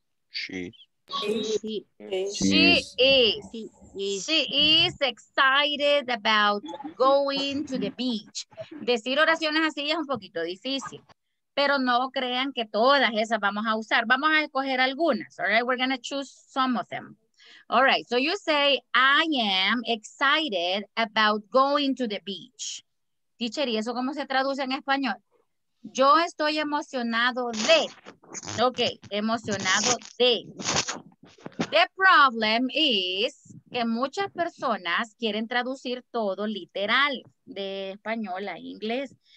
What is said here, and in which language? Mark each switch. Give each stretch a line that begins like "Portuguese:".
English: She is excited about going to the beach.
Spanish: Decir oraciones así es un poquito difícil, pero no crean que todas esas vamos a usar. Vamos a escoger algunas.
English: All right, we're going to choose some of them. All right, so you say, I am excited about going to the beach.
Spanish: Teacher, ¿y eso cómo se traduce en español? Yo estoy emocionado de. Ok, emocionado de.
English: The problem is
Spanish: que muchas personas quieren traducir todo literal de español a inglés.